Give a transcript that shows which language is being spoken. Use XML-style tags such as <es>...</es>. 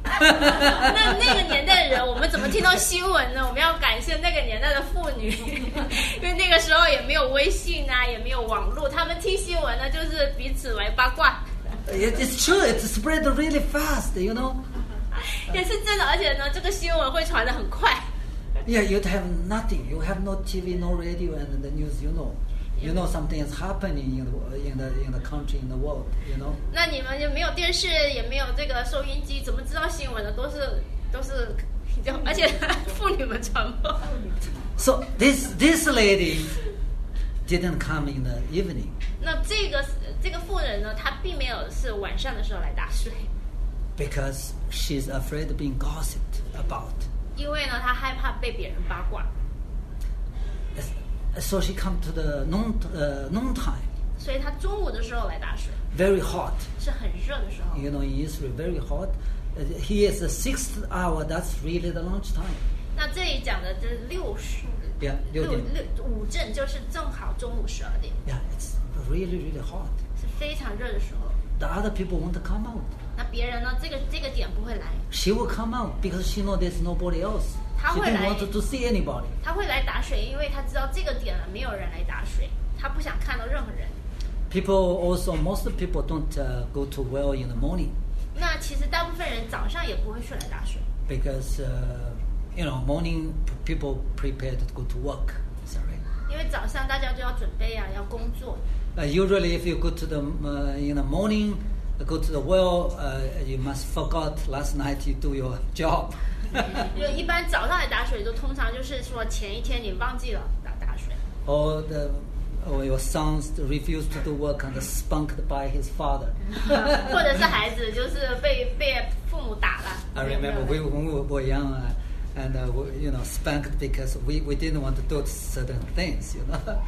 <zh>那个年代的人我们怎么听到新闻呢？我们要感谢那个年代的妇女，因为那个时候也没有微信啊，也没有网络，他们听新闻呢就是彼此为八卦。</zh> <en>It's true, it spread really fast, you know.</en> <zh>也是真的，而且呢这个新闻会传得很快。</zh> <en>Yeah, you have nothing. You have no TV, no radio and the news, you know. You know something is happening in the country, in the world. You know.</en> <zh>那你们就没有电视，也没有这个收音机，怎么知道新闻呢？都是，而且妇女们传播。</zh> <en>So this lady didn't come in the evening.</en> <zh>那这个妇人呢，她并没有是晚上的时候来打水。</zh> <en>Because she's afraid of being gossiped about.</en> <zh>因为呢，她害怕被别人八卦。</zh> <en>So she come to the noon time.</en> <zh>所以她中午的时候来打水。</zh> <en>Very hot.</en> <zh>是很热的时候。</zh> <en>You know, in Israel, very hot. He is the sixth hour. That's really the lunch time.</en> <zh>那这里讲的就是六点五正，就是正好中午12点。</zh> <en>Yeah, it's really really hot.</en> <zh>是非常热的时候。</zh> <en>The other people won't come out.</en> <zh>那别人呢？这个点不会来。</zh> <en>She will come out because she know there's nobody else. She didn't want to see anybody.</en> <zh>她会来打水，因为她知道这个点了没有人来打水，她不想看到任何人。</zh> <en>People also, most people don't go to well in the morning.</en> <zh>那其实大部分人早上也不会去来打水。</zh> <en>Because you know, morning people prepared to go to work. Sorry.</en> <zh>因为早上大家就要准备呀，要工作。</zh> <en>Usually, if you go to the in the morning, go to the well, you must forgot last night you do your job.</en> <zh>一般早上来打水都通常就是说前一天你忘记了打水。</zh> <en>Or your sons refused to do work and spanked by his father.</en> <zh>或者是孩子就是被父母打了。</zh> <en>I remember when we were young. And you know, spanked because we didn't want to do certain things, you know.</en>